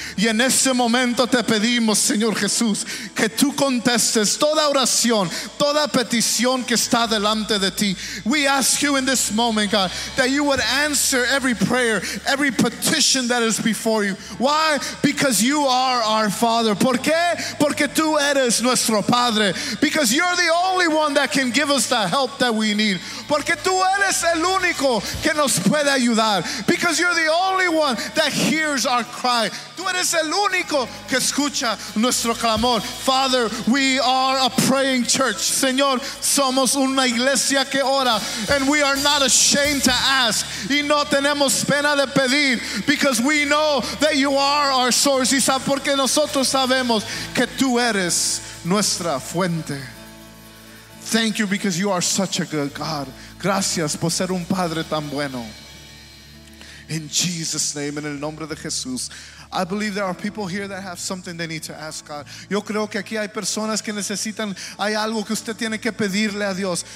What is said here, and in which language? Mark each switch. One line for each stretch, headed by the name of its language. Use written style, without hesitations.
Spanish: Y en este momento te pedimos, Señor Jesús, que tú contestes toda oración, toda petición que está delante de ti.
English: We ask you in this moment, God, that you would answer every prayer, every petition that is before you. Why? Because you are our Father.
Spanish: ¿Por qué? Porque tú eres nuestro Padre.
English: Because you're the only one that can give us the help that we need.
Spanish: Porque tú eres el único que nos puede ayudar.
English: Because you're the only one that hears our cry.
Spanish: Tú eres el único que escucha nuestro clamor.
English: Father, we are a praying church.
Spanish: Señor, somos una iglesia que ora.
English: And we are not ashamed to ask.
Spanish: Y no tenemos pena de pedir.
English: Because we know that you are our source.
Spanish: Y sabes, porque nosotros sabemos que tú eres nuestra fuente.
English: Thank you because you are such a good God.
Spanish: Gracias por ser un padre tan bueno.
English: In Jesus' name,
Spanish: en el nombre de Jesús.
English: I believe there are people here that have something they need to ask God.
Spanish: Yo creo que aquí hay personas que necesitan, hay algo que usted tiene que pedirle a Dios.